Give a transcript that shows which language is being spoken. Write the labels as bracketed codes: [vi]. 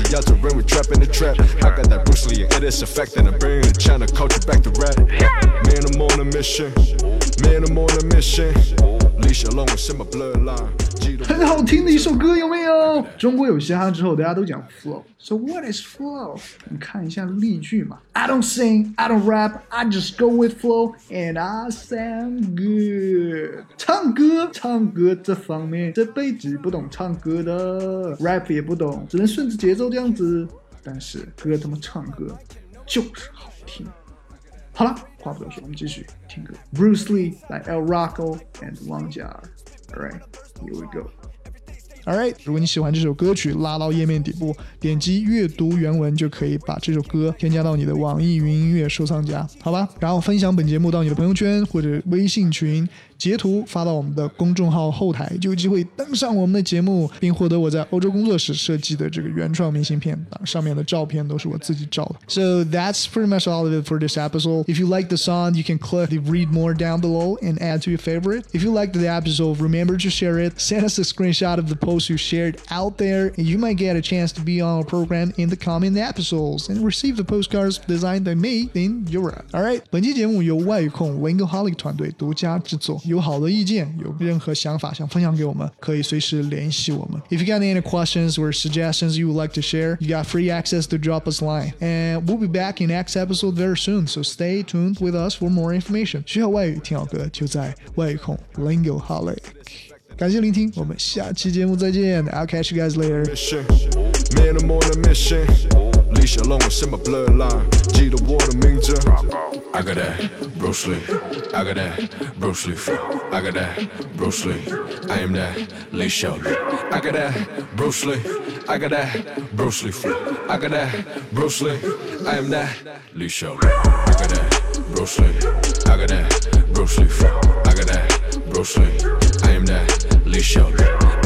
[en] I got that Bruce Lee, it is a fact, and I'm bringing the China culture back to rap. Man, I'm on a mission. Man, I'm on a mission. Li Xiaolong is in my bloodline. [zh] 很好听的一首歌，有没有？中国有嘻哈之后，大家都讲 flow。 [en] So what is flow？ [zh] 你看一下例句嘛。 [en] I don't sing, I don't rap, I just go with flow, and I sound good。 [zh] 唱歌，唱歌这方面，这辈子不懂唱歌的 ，rap 也不懂，只能顺着节奏这样子。但是歌他妈唱歌就是好听。好了，话不多说，我们继续听歌。 Bruce Lee 来 El Rocco and 王嘉尔。 [en] Alright, here we go. [zh] Alright, 如果你喜欢这首歌曲，拉到页面底部，点击阅读原文就可以把这首歌添加到你的网易云音乐收藏夹，好吧？然后分享本节目到你的朋友圈或者微信群，截图发到我们的公众号后台，就有机会登上我们的节目，并获得我在欧洲工作室设计的这个原创明信片，上面的照片都是我自己照的。 [en] So that's pretty much all of it for this episode. If you like the song, you can click the read more down below and add to your favorite. If you liked the episode, remember to share it. Send us a screenshot of the post you shared out there, and you might get a chance to be on our program in the coming episodes and receive the postcards designed by me in Europe. [zh] Alright, 本期节目由外语控 Wingoholic 团队独家制作。有好的意见，有任何想法想分享给我们，可以随时联系我们。 [en] If you got any questions or suggestions you would like to share, you got free access to drop us a line. And we'll be back in next episode very soon, so stay tuned with us for more information. [zh] 需要外语听好歌，就在外语控 Lingoholic。感谢聆听，我们下期节目再见。 [en] I'll catch you guys later. Man, I'm on a mission. Li Xiaolong is in my bloodline. [zh] 记得我的名字。 [en] I got that Bruce Lee, I got that Bruce Lee, I got that Bruce Lee, I am that Li Xiaolong. I got that Bruce Lee, I got that Bruce Lee, I got that Bruce Lee, I am that Li Xiaolong. I got that Bruce Lee, I got that Bruce Lee, I got that Bruce Lee, I am that Li Xiaolong.